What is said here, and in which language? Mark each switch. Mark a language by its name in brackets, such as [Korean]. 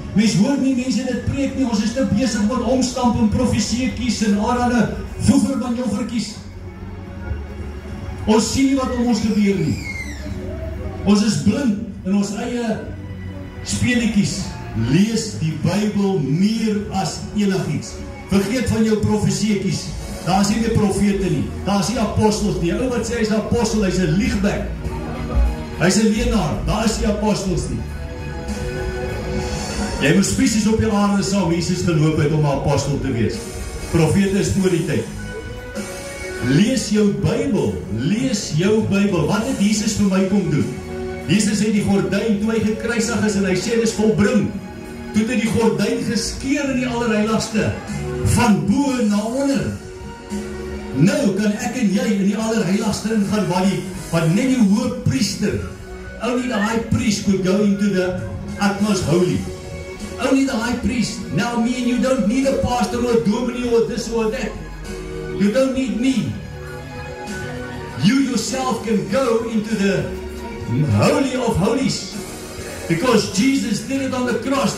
[Afrikaans] Mens hoor nie mense dit preek nie, ons is te besig met omstamp en profesie kies en allerlei vroeger van jou verkies. Ons sien nie wat om ons gebeur nie. Ons is blind in ons eie speletjies. Lees die Bybel meer as enigiets. Vergeet van jou profesieetjies. Daar is nie meer profete nie. Daar is nie apostels nie. Ou wat sê hy is apostel, hy is 'n liegbek. Hy is 'n leenaar. Daar is nie apostels nie. Jy moet spesies op jou aarde sal Jesus geloop het om 'n apostel te wees. Profete is voor die tyd. Lees jou Bybel. Lees jou Bybel. Wat het Jesus vir my kom doen? Jesus het die gordyn toe hy gekruisig is en hy sê dis volbring. Toe het die gordyn geskeur in die allerheiligste van bo na onder. Nou kan ek en jy in die allerheiligste ingaan wat net die hoë priester. [English] Only the high priest could go into the utmost holy. Only the high priest. Now me and you don't need a pastor or a dominee or this or that. You don't need me. You yourself can go into the holy of holies, because Jesus did it on the cross.